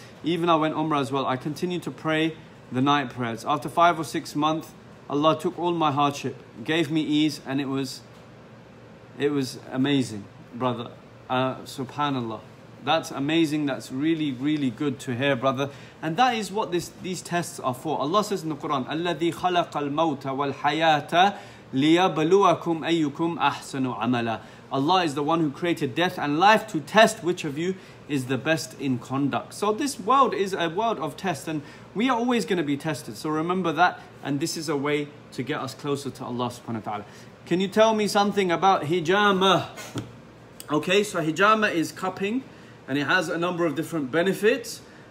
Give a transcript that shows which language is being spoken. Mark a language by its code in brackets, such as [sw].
[en] Even I went umrah as well. I continue to pray the night prayers. After 5 or 6 months, Allah took all my hardship, gave me ease, and it was amazing, brother. Subhanallah. That's amazing. That's really, really good to hear, brother. And that is what these tests are for. Allah says in the Quran, [ar] الَّذِي خَلَقَ الْمَوْتَ وَالْحَيَاةَ لِيَبَلُوَكُمْ أَيُّكُمْ أَحْسَنُ عَمَلًا. [en] Allah is the one who created death and life to test which of you is the best in conduct. So this world is a world of tests, and we are always going to be tested. So remember that, and this is a way to get us closer to Allah subhanahu wa ta'ala. Can you tell me something about hijama? Okay, so hijama is cupping, and it has a number of different benefits.